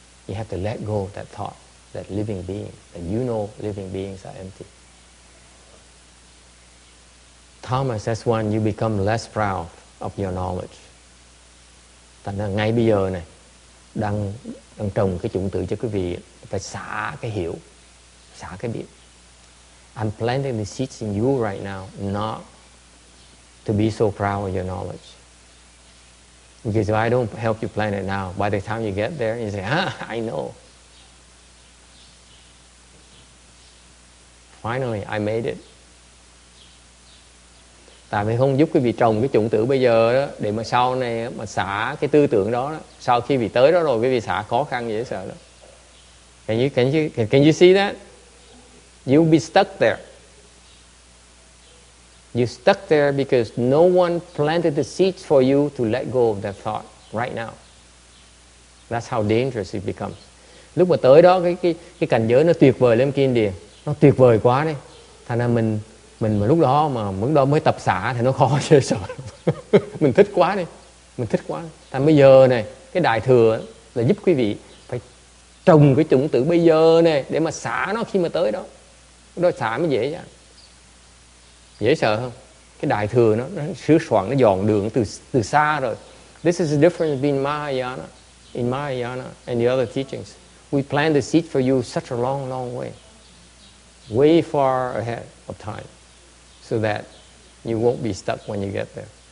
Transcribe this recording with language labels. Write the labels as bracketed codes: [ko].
[en] You have to let go that thought that living being, that you know living beings are empty. Thomas, that's when you become less proud of your knowledge. [vi] Thành ra ngay bây giờ này đang trồng cái chủng tử cho quý vị phải xả cái hiểu, xả cái biết. [en] I'm planting the seeds in you right now, not to be so proud of your knowledge. Because if I don't help you plant it now, by the time you get there, you say, I know. Finally, I made it. [vi] Tại vì không giúp quý vị trồng cái chủng tử bây giờ đó, để mà sau này mà xả cái tư tưởng đó, sau khi vị tới đó rồi, quý vị xả khó khăn dễ sợ đó. [en] Can you see that? You'll be stuck there. You stuck there because no one planted the seeds for you to let go of that thought right now. That's how dangerous it becomes. [vi] Lúc mà tới đó cái cảnh giới nó tuyệt vời lắm kia đi. Nó tuyệt vời quá đấy. Thành ra mình mà lúc đó mà mới đó mới tập xả thì nó khó chứ sợ. Mình thích quá đi. Mình thích quá. Thành bây giờ này, cái đại thừa là giúp quý vị phải trồng cái chủng tử bây giờ này để mà xả nó khi mà tới đó. Đó xả mới dễ dàng. Dễ sợ không? Cái đại thừa nó sửa soạn, nó dọn đường từ xa rồi. [en] This is the difference between Mahayana, in Mahayana and the other teachings. We plant the seed for you such a long, long way. Way far ahead of time. So that you won't be stuck when you get there.